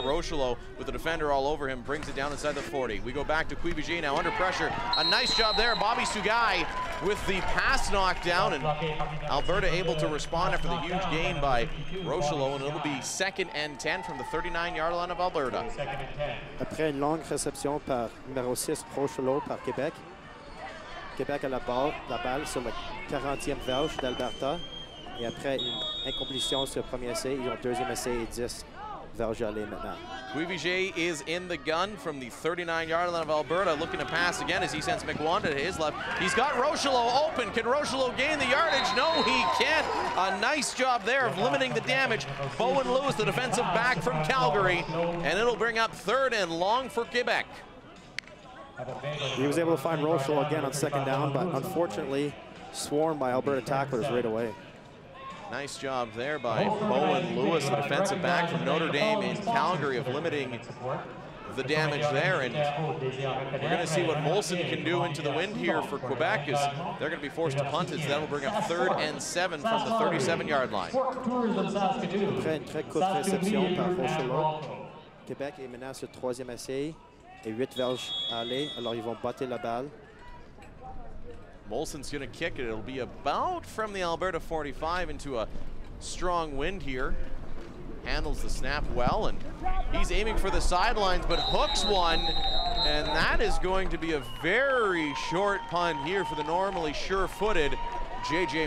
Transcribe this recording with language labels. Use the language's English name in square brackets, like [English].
[English] Rochelot, with the defender all over him, brings it down inside the 40. We go back to Cuivigier now under pressure. A nice job there. Bobby Sugai with the pass knockdown, and Alberta able to respond after the huge gain by Rochelot, and it'll be second and 10 from the 39-yard line of Alberta. [French] Après une longue réception par numéro 6, Rochelot par Québec. Québec a la balle sur la 40e verge d'Alberta. Et après une incomplétion sur le premier essai, ils ont deuxième essai et 10 verges allées maintenant. [English] Cuivigier is in the gun from the 39-yard line of Alberta, looking to pass again as he sends Nakwana to his left. He's got Rochelot open. Can Rochelot gain the yardage? No, he can't. A nice job there of limiting the damage. Bowen Lewis, the defensive back from Calgary. And it'll bring up third and long for Québec. He was able to find Rochelot again on second down, but unfortunately swarmed by Alberta tacklers right away. Nice job there by Bowen Lewis, the defensive back from Notre Dame in Calgary, of limiting the damage there. And we're going to see what Molson can do into the wind here for Quebec, as they're going to be forced to punt, as that will bring up third and 7 from the 37-yard line. [French] Après une très courte réception par Rochelot, Québec est maintenant sur troisième essai. Et 8 verges à aller, alors ils vont battre la balle. [English] Molson's going to kick it. It'll be about from the Alberta 45 into a strong wind here. Handles the snap well, and he's aiming for the sidelines, but hooks one, and that is going to be a very short punt here for the normally sure-footed J.J.